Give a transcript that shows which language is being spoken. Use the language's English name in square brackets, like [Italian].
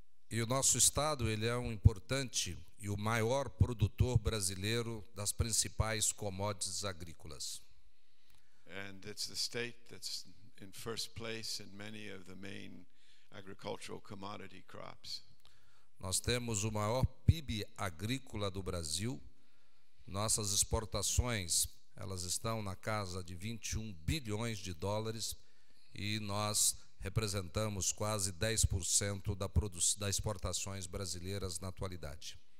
[Portuguese] E o nosso estado, ele é um importante e o maior produtor brasileiro das principais commodities agrícolas. [English] And it's the state that's in first place in many of the main agricultural commodity crops. [Portuguese] Nós temos o maior PIB agrícola do Brasil. Nossas exportações, elas estão na casa de 21 bilhões de dólares e nós representamos quase 10% das exportações brasileiras na atualidade.